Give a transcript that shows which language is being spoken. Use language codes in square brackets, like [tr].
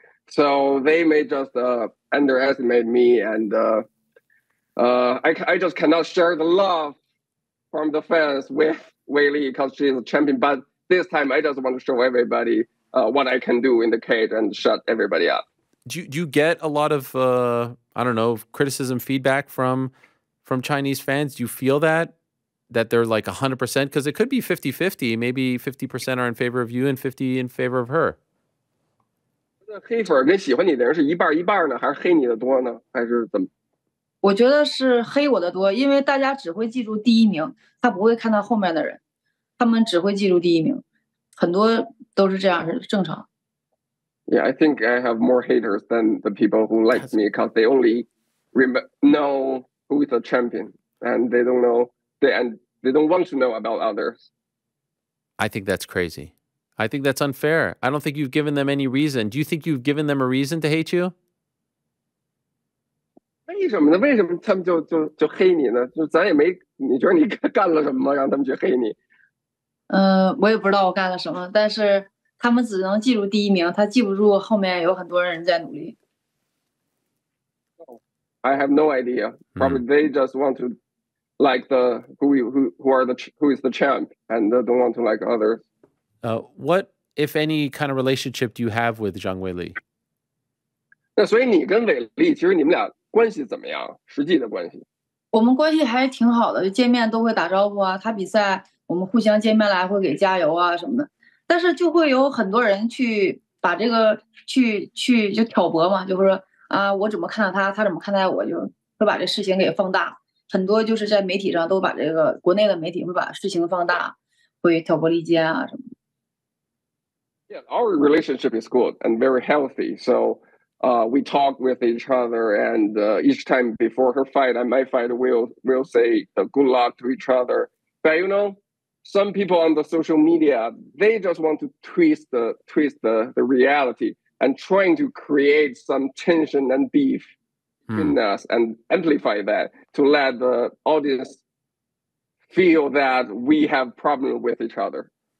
[en] So they may just underestimate me, and I just cannot share the love from the fans with Weili, because she's a champion, but this time I just want to show everybody what I can do in the cage and shut everybody up. Do you get a lot of, criticism, feedback from Chinese fans? Do you feel that they're like 100%? Because it could be 50-50, maybe 50% are in favor of you and 50 in favor of her. [zh] 黑粉跟喜欢你的人是一半一半呢，还是黑你的多呢，还是怎么？我觉得是黑我的多，因为大家只会记住第一名，他不会看到后面的人，他们只会记住第一名，很多都是这样，是正常。 [en] Yeah, I think I have more haters than the people who like me, because they only know who is the champion, and they don't know, they don't want to know about others. I think that's crazy. I think that's unfair. I don't think you've given them any reason. Do you think you've given them a reason to hate you? [zh] 为什么呢？为什么他们就黑你呢？就咱也没，你觉得你干了什么让他们去黑你？我也不知道我干了什么，但是他们只能记住第一名，他记不住后面有很多人在努力。 [en] I have no idea. Probably they just want to like the who is the champ and don't want to like others. What if any kind of relationship do you have with Zhang Weili? [zh] 那所以你跟伟力，其实你们俩。关系怎么样？实际的关系，我们关系还挺好的，见面都会打招呼啊。他比赛，我们互相见面来会给加油啊什么的。但是就会有很多人去把这个去就挑拨嘛，就会说啊，我怎么看到他，他怎么看待我，就会把这事情给放大。很多就是在媒体上都把这个国内的媒体会把事情放大，会挑拨离间啊什么的。 [en] Yeah, our relationship is good and very healthy, so. We talk with each other, and each time before her fight and my fight, we'll say good luck to each other. But you know, some people on the social media, they just want to twist the reality and trying to create some tension and beef in us and amplify that to let the audience feel that we have problems with each other.